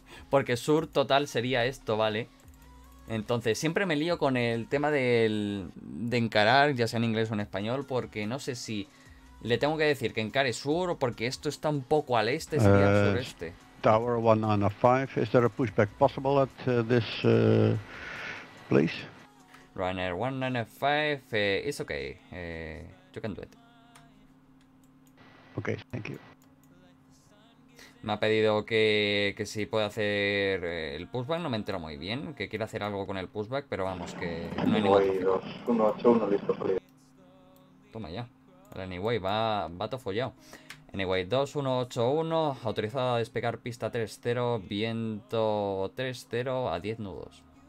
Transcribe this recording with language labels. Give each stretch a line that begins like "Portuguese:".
Spanish: Porque sur total sería esto, ¿vale? Entonces, siempre me lío con el tema de encarar, ya sea en inglés o en español, porque no sé si le tengo que decir que encare sur o porque esto está un poco al este, sería al sureste.
English: Tower 195, is there a pushback possible at this place? Ryanair 195, it's okay, you can do it. Okay, thank you.
Spanish: Me ha pedido que si puede hacer el pushback, no me entero muy bien, que quiere hacer algo con el pushback, pero vamos, que no hay ningún problema. Anyway 2181, listo, salida. Toma ya, el anyway va todo follado. Anyway 2181, autorizado a despegar pista 3-0, viento 3-0 a 10 nudos.